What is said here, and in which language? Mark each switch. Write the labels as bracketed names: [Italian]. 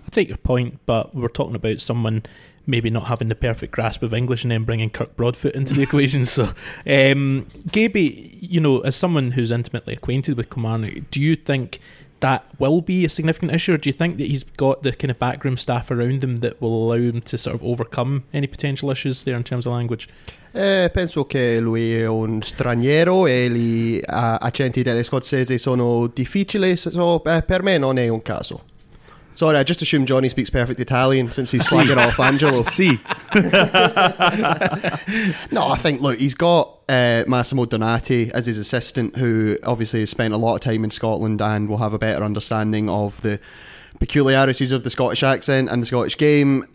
[English] I take your point, but we're talking about someone maybe not having the perfect grasp of English and then bringing Kirk Broadfoot into the equation. So, Gaby, you know, as someone who's intimately acquainted with Kilmarnock, do you think that will be a significant issue, or do you think that he's got the kind of backroom staff around him that will allow him to sort of overcome any potential issues there in terms of language? [Italian] Penso che lui è un straniero e gli accenti delle scozzesi sono difficili, so per me non è un caso. [English] Sorry, I just assume Johnny speaks perfect Italian since he's slagging off Angelo. See, no, I think, look, he's got Massimo Donati as his assistant, who obviously has spent a lot of time in Scotland and will have a better understanding of the peculiarities of the Scottish accent and the Scottish game.